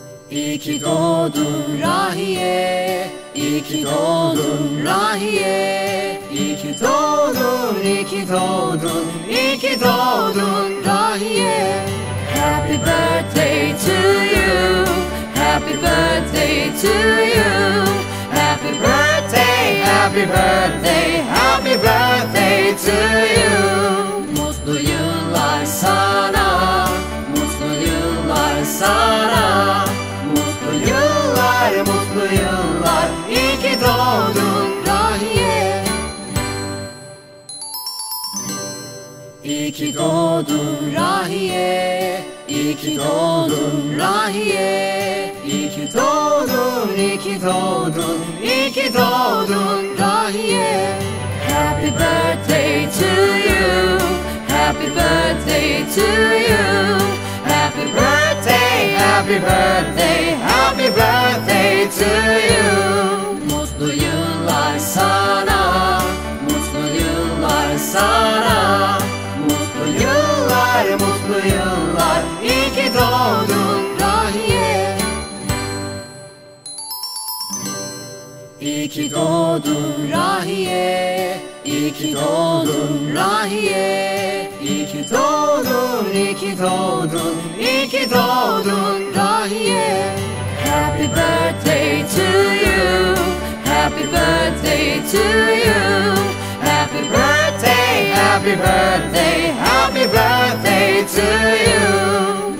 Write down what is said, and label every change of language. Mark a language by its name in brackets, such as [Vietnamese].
[Turkish] İyi ki doğdun Rahiye, İyi ki doğdun Rahiye, İyi ki doğdun, İyi ki doğdun, İyi ki doğdun Rahiye. [English] Happy birthday to you, happy birthday to you, happy birthday, happy birthday, happy birthday to you. [Turkish] Mutlu yıllar sana, mutlu yıllar sana, mutlu yıllar, mutlu yıllar, iyi ki doğdun Rahiye. İyi ki doğdun Rahiye, İyi ki doğdun Rahiye, İyi ki doğdun, İyi ki doğdun, İyi ki doğdun Rahiye. [English] Happy birthday to you, happy birthday to you, happy birthday, happy birthday, happy birthday to you. [Turkish] Mutlu yıllar sana, mutlu yıllar sana, mutlu yıllar, mutlu yıllar, iyi ki doğdun Rahiye. İyi ki doğdun Rahiye, İyi ki doğdun Rahiye, İyi ki doğdun, İyi ki doğdun, İyi ki doğdun Rahiye. [English] Happy birthday to you, happy birthday to you, happy birthday, happy birthday, happy birthday to you.